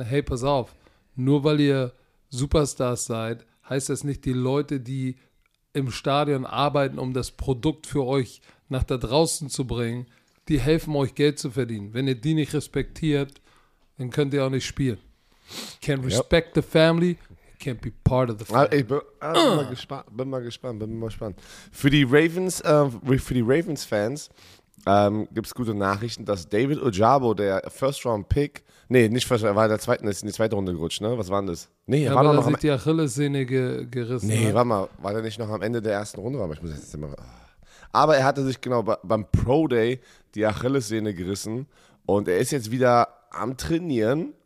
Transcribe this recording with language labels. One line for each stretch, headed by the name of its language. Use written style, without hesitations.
German: Hey, pass auf, nur weil ihr Superstars seid, heißt das nicht, die Leute, die im Stadion arbeiten, um das Produkt für euch nach da draußen zu bringen, die helfen euch, Geld zu verdienen. Wenn ihr die nicht respektiert, dann könnt ihr auch nicht spielen.
English: Can't respect the family, can't be part of the family.
German: Ich bin mal gespannt. Für die Ravens-Fans gibt es gute Nachrichten, dass David Ojabo, der First-Round-Pick, war in die zweite Runde gerutscht, ne? Was war denn das? Die Achillessehne gerissen. War der nicht noch am Ende der ersten Runde? Aber ich muss jetzt immer. Aber er hatte sich genau beim Pro-Day die Achillessehne gerissen und er ist jetzt wieder am Trainieren.